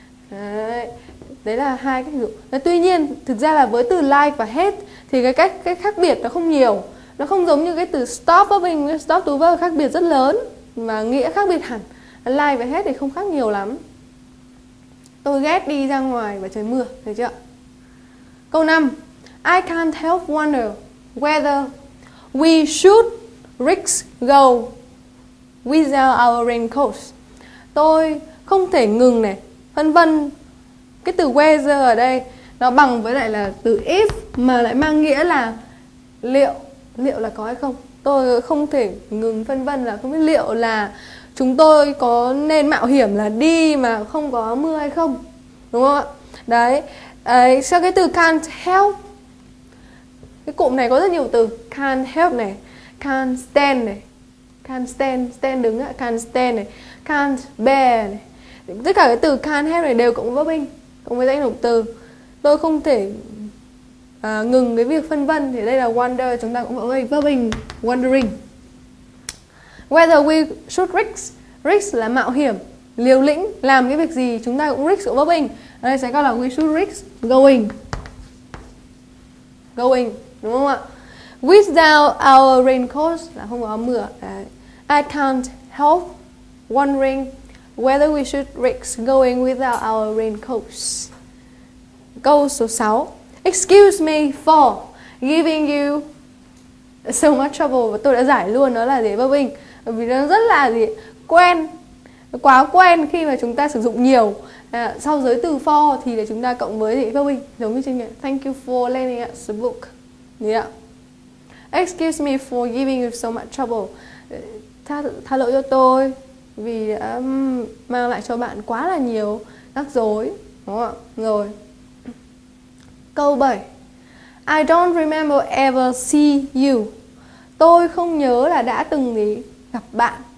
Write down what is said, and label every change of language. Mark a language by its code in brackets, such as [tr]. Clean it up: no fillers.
[vi] Đấy, đấy là hai cách dụ. Tuy nhiên thực ra là với từ like và hate thì cái khác biệt nó không nhiều, nó không giống như cái từ stop với mình. Stop to verb khác biệt rất lớn mà nghĩa khác biệt hẳn. Like và hate thì không khác nhiều lắm. Tôi ghét đi ra ngoài và trời mưa, thấy chưa? Câu 5. [en] I can't help wonder whether we should risk go without our raincoats. [vi] Tôi không thể ngừng này, phân vân. Cái từ whether ở đây nó bằng với lại là từ if mà lại mang nghĩa là liệu, liệu là có hay không. Tôi không thể ngừng phân vân là không biết liệu là chúng tôi có nên mạo hiểm là đi mà không có mưa hay không, đúng không ạ? Đấy, đấy. Sau cái từ can't help, cái cụm này có rất nhiều từ. [en] Can't help này, can't stand này, can't stand, [vi] stand đứng ạ, [en] can't stand này, can't bear này. [vi] Tất cả cái từ can't help này đều cộng với verb, cộng với danh động từ. Tôi không thể ngừng cái việc phân vân. Thì đây là wonder, chúng ta cũng có cái verb wondering. [en] Whether we should risk, [vi] risk là mạo hiểm, liều lĩnh, làm cái việc gì chúng ta cũng risk của verb. Đây sẽ có là [en] we should risk going, going, [vi] đúng không ạ? [en] Without our raincoats [vi] là không có mưa. [en] I can't help wondering whether we should risk going without our raincoats. [vi] Câu số 6. [en] Excuse me for giving you so much trouble. [vi] Và tôi đã giải luôn nó là gì, verb. Vì nó rất là gì, quen, quá quen khi mà chúng ta sử dụng nhiều. Sau giới từ for thì là chúng ta cộng với gì, verb. Giống như trên nghĩa, [en] thank you for lending us the book. Yeah. Excuse me for giving you so much trouble. [vi] Tha lỗi cho tôi vì đã mang lại cho bạn quá là nhiều rắc rối, đúng không ạ? Rồi. Câu 7. [en] I don't remember ever see you. [vi] Tôi không nhớ là đã từng gì gặp bạn.